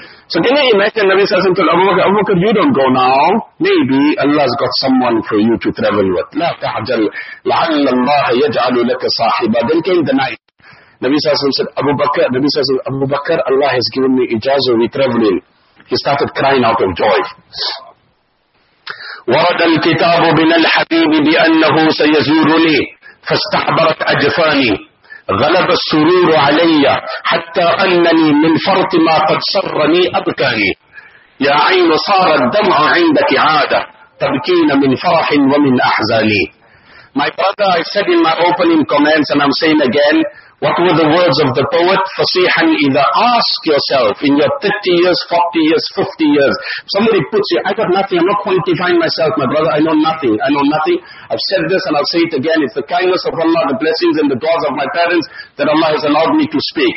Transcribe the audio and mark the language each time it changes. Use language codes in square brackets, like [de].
[en] So can you imagine Nabi Sallallahu Alaihi Wasallam told Abu Bakr, you don't go now. Maybe Allah's got someone for you to travel with. [ar] لَا تَعْجَلْ لَعَلَّ اللَّهَ يَجْعَلُ لَكَ صَاحِبًا. [en] Then came the night. Nabi Sallallahu Alaihi Wasallam said, Abu Bakr, Allah has given me ijazah, we're traveling. He started crying out of joy. [ar] وَرَدَ الْكِتَابُ بِنَ الْحَبِيبِ بِأَنَّهُ سَيَزُورُنِي فَاسْتَعْبَرَتْ أَجْفَانِي غلب السرور علي حتى أنني من فرط ما قد سرني أبكاني يا عين صار الدمع عندك عادة تبكين من فرح ومن أحزاني. [en] My brother, I said in my opening comments and I'm saying again, what were the words of the poet? Fasihan, either ask yourself in your 30 years, 40 years, 50 years. Somebody puts you, I got nothing, I'm not quantifying myself, my brother, I know nothing. I've said this and I'll say it again. It's the kindness of Allah, the blessings and the du'as of my parents that Allah has allowed me to speak.